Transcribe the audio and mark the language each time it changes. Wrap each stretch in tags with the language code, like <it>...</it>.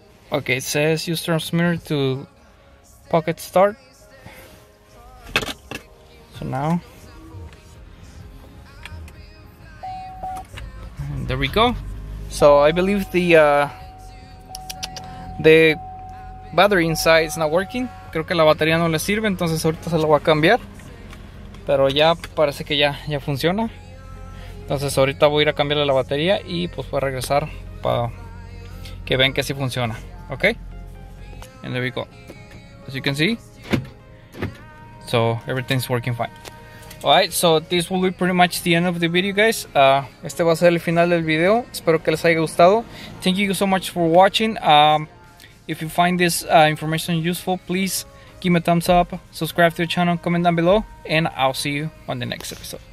<en>Okay, it says use transmitter to pocket start. So now, and there we go. So I believe the battery inside is not working.</en> <es>Creo que la batería no le sirve, entonces ahorita se la voy a cambiar. Pero ya parece que ya funciona. Entonces ahorita voy a ir a cambiarle la batería y pues voy a regresar para que vean que sí funciona.</es> <en>Okay, and there we go. As you can see, so everything's working fine. Alright, so this will be pretty much the end of the video, guys.</en> <es>Este va a ser el final del video. Espero que les haya gustado.</es> <en>Thank you so much for watching. If you find this information useful, please give me a thumbs up, subscribe to the channel, comment down below, and I'll see you on the next episode.</en>